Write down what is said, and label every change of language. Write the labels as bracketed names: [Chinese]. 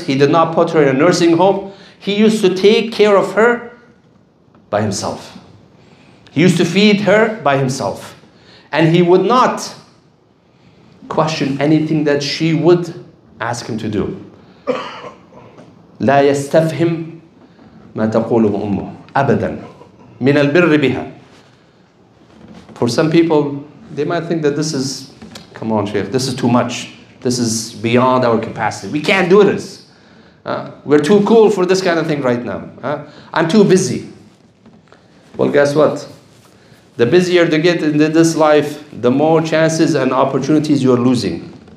[English] He did not put her in a nursing home. He used to take care of her by himself. He used to feed her by himself. And he would not question anything that she would ask him to do. [Arabic] لا يستفهم ما تقوله أمه أبدا من البر بها. [English] For some people, they might think that this is, come on Sheikh, this is too much. This is beyond our capacity. We can't do this. We're too cool for this kind of thing right now. I'm too busy. Well, guess what? The busier they get in this life, the more chances and opportunities you're losing.